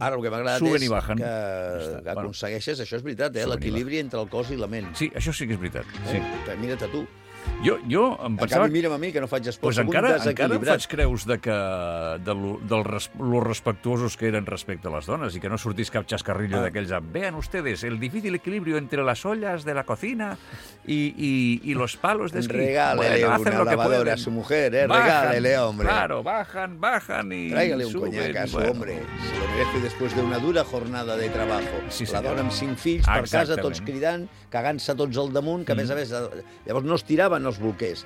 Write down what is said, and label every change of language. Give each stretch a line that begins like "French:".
Catalan: Ara el que m'ha agradat és que aconsegueixes, això és veritat, l'equilibri entre el cos i la ment. Sí, això sí que és veritat. Sí. Mira't a tu. Jo em pensava... En canvi, mira'm a mi, que no faig esport. Pues encara faig creus de lo respectuosos que eren respecte a les dones i que no sortís cap xascarrillo d'aquells amb...
Spanish: Vean ustedes,
Catalan: el difícil equilibri entre les olles de la cocina i
Spanish: los palos de esquí. Regálele una lavadora a su mujer, eh? Regálele, hombre. Claro, bajan y... Tráigale un coñac a su hombre. Se lo merece después de una dura jornada de trabajo. Sí,
Catalan: la dona amb 5 fills, per casa, tots cridant, cagant-se tots al damunt, que a més, llavors no es tirava en els bolquers.